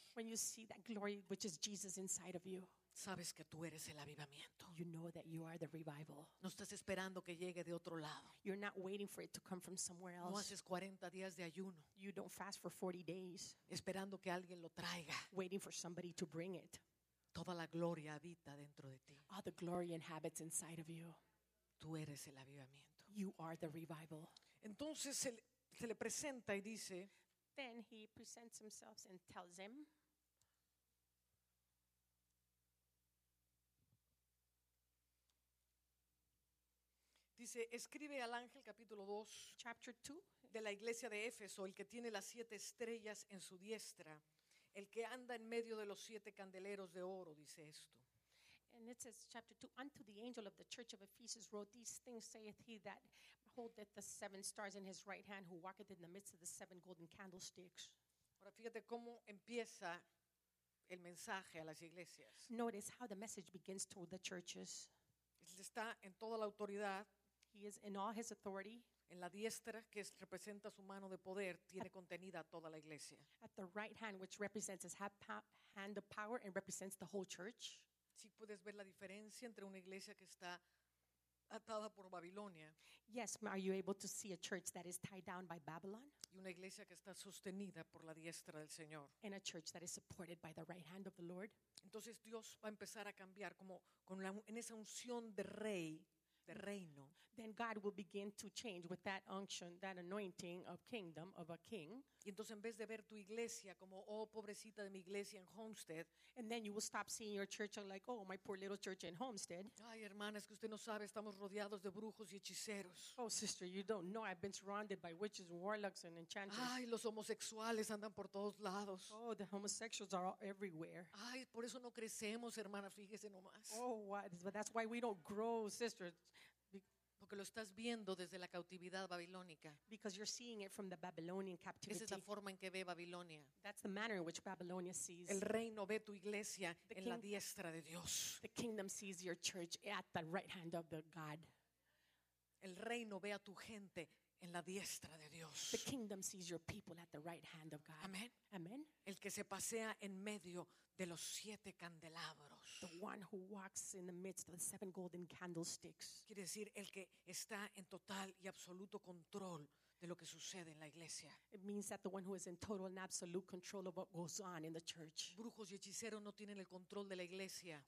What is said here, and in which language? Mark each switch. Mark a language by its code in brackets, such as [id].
[en] When you see that glory which is Jesus inside of you. [es] Sabes que tú eres el avivamiento. [en] You know that you are the revival. [es] No estás esperando que llegue de otro lado. [en] You're not waiting for it to come from somewhere else. [es] No haces 40 días de ayuno. [en] You don't fast for 40 days. [es] Esperando que alguien lo traiga. [en] Waiting for somebody to bring it. [es] Toda la gloria habita dentro de ti. [en] All the glory inhabits inside of you. [es] Tú eres el avivamiento. [en] You are the revival. [es] Entonces se le presenta y dice. [en] Then he presents himself and tells him. [es] Dice, escribe al ángel, capítulo 2, [en] chapter 2, [es] de la iglesia de Éfeso, el que tiene las siete estrellas en su diestra, el que anda en medio de los siete candeleros de oro, dice esto. [en] And it says, chapter 2, unto the angel of the church of Ephesus wrote, these things saith he that holdeth the seven stars in his right hand, who walketh in the midst of the seven golden candlesticks. [es] Ahora fíjate cómo empieza el mensaje a las iglesias. [en] Notice how the message begins to the churches. [es] Está en toda la autoridad. [en] He is in all his authority. [es] En la diestra, que representa su mano de poder, tiene contenida toda la iglesia. [en] At the right hand, which represents his hand of power and represents the whole church. [es] Sí, puedes ver la diferencia entre una iglesia que está atada por Babilonia. [en] Yes, are you able to see a church that is tied down by Babylon? [es] Y una iglesia que está sostenida por la diestra del Señor. [en] And a church that is supported by the right hand of the Lord. [es] Entonces Dios va a empezar a cambiar como con la, en esa unción de rey, de reino. [en] Then God will begin to change with that unction, that anointing of kingdom, of a king. [es] Y entonces en vez de ver tu iglesia como, oh, pobrecita de mi iglesia en Homestead. [en] And then you will stop seeing your church like, oh, my poor little church in Homestead. [es] Ay, hermana, es que usted no sabe, estamos rodeados de brujos y hechiceros. [en] Oh, sister, you don't know, I've been surrounded by witches, warlocks, and enchanters. [es] Ay, los homosexuales andan por todos lados. [en] Oh, the homosexuals are everywhere. [es] Ay, por eso no crecemos, hermana, fíjese nomás. [en] Oh, what? But that's why we don't grow, sister. [es] Porque lo estás viendo desde la cautividad babilónica. [en] Because you're seeing it from the Babylonian captivity. [es] Esa es la forma en que ve Babilonia. [en] That's the manner in which Babylonia sees. [es] El reino ve tu iglesia en la diestra de Dios. [en] The kingdom sees your church at the right hand of the God. [es] El reino ve a tu gente en la diestra de Dios. [en] The kingdom sees your people at the right hand of God. [es] Amén. [en] Amen. [es] El que se pasea en medio de los siete candelabros. [en] The one who walks in the midst of the seven golden candlesticks. [es] Quiere decir el que está en total y absoluto control de lo que sucede en la iglesia. [en] It means that the one who is in total and absolute control of what goes on in the church. [es] Brujos y hechiceros no tienen el control de la iglesia.